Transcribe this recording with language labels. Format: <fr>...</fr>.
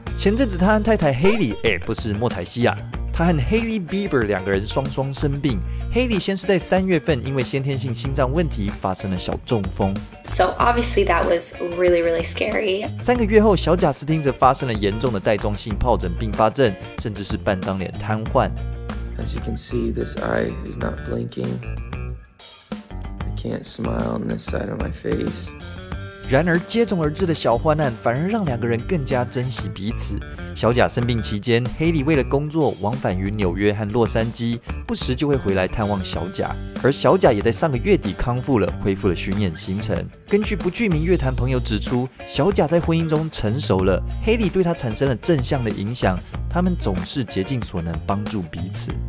<zh>前阵子他和太太 Hailey 不是莫彩希啊，他和 Hailey Bieber 两个人双双生病。 Hailey 先是在三月份因为先天性心脏问题发生了小中风。</zh> <en>So obviously that was really really scary.</en> <zh>三个月后小贾斯汀则发生了严重的带状性疱疹并发症，甚至是半张脸瘫痪。</zh> <en>As you can see, this eye is not blinking. I can't smile on this side of my face.</en> <zh>然而接踵而至的小患难反而让两个人更加珍惜彼此。小贾生病期间，黑莉为了工作往返于纽约和洛杉矶，不时就会回来探望小贾。而小贾也在上个月底康复了，恢复了巡演行程。根据不具名乐坛朋友指出，小贾在婚姻中成熟了，黑莉对他产生了正向的影响，他们总是竭尽所能帮助彼此。</zh>